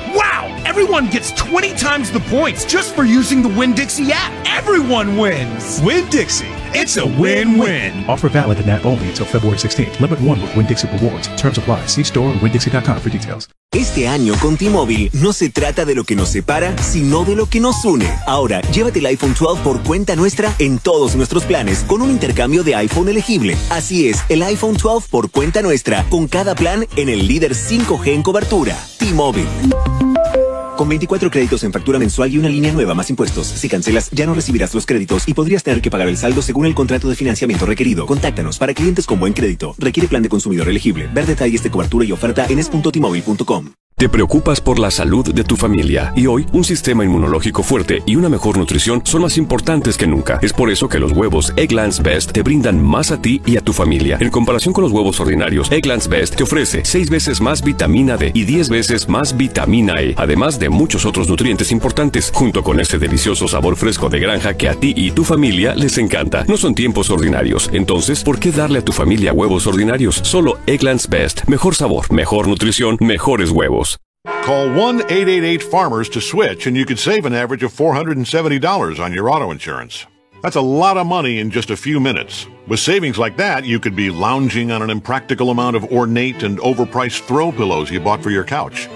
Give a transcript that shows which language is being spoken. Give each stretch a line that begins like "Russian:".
English: Wow, everyone gets 20 times the points just for using the Winn-Dixie app. Everyone wins. Winn-Dixie, it's a win-win. Offer valid in app only until February 16th. Limit 1 with Winn-Dixie rewards. Terms apply. See store and winn-dixie.com for details.
Spanish: Este año con T-Mobile no se trata de lo que nos separa, sino de lo que nos une. Ahora, llévate el iPhone 12 por cuenta nuestra en todos nuestros planes con un intercambio de iPhone elegible. Así es, el iPhone 12 por cuenta nuestra con cada plan en el líder 5G en cobertura. T-Mobile. Con 24 créditos en factura mensual y una línea nueva más impuestos. Si cancelas, ya no recibirás los créditos y podrías tener que pagar el saldo según el contrato de financiamiento requerido. Contáctanos para clientes con buen crédito. Requiere plan de consumidor elegible. Ver detalles de cobertura y oferta en es.timovil.com. Te preocupas por la salud de tu familia y hoy un sistema inmunológico fuerte y una mejor nutrición son más importantes que nunca. Es por eso que los huevos Eggland's Best te brindan más a ti y a tu familia. En comparación con los huevos ordinarios, Eggland's Best te ofrece 6 veces más vitamina D y 10 veces más vitamina E, además de muchos otros nutrientes importantes, junto con ese delicioso sabor fresco de granja que a ti y tu familia les encanta. No son tiempos ordinarios, entonces, ¿por qué darle a tu familia huevos ordinarios? Solo Eggland's Best. Mejor sabor, mejor nutrición, mejores huevos.
English: Call 1-888-FARMERS to switch and you could save an average of $470 on your auto insurance. That's a lot of money in just a few minutes. With savings like that, you could be lounging on an impractical amount of ornate and overpriced throw pillows you bought for your couch.